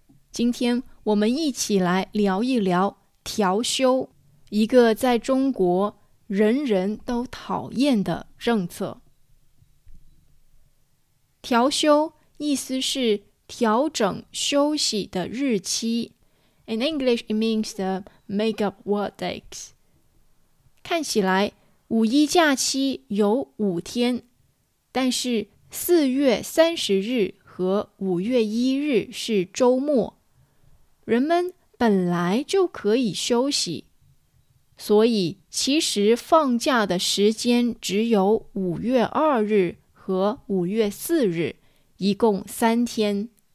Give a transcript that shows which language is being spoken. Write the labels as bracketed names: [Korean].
[Chinese] 今天我们一起来聊一聊调休，一个在中国人人都讨厌的政策。调休意思是调整休息的日期。 [English] In English, it means the make-up workdays. [Chinese] 看起来五一假期有5天，但是4月30日和五月一日是周末，人们本来就可以休息，所以其实放假的时间只有五月二日和五月四日，一共三天。